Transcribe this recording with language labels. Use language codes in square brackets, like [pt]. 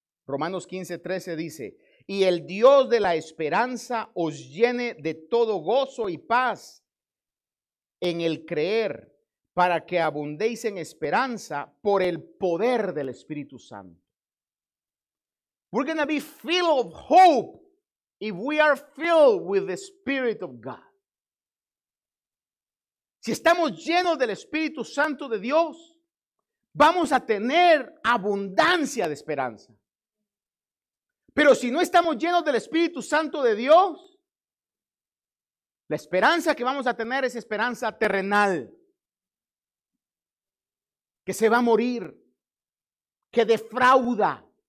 [es] Romanos 15:13 dice, y el Dios de la esperanza os llene de todo gozo y paz en el creer, para que abundéis en esperanza por el poder del Espíritu Santo. [en] We're going to be filled of hope if we are filled with the Spirit of God. [es] Si estamos llenos del Espíritu Santo de Dios, vamos a tener abundancia de esperanza. Pero si no estamos llenos del Espíritu Santo de Dios, la esperanza que vamos a tener es esperanza terrenal, que se va a morir, que defrauda.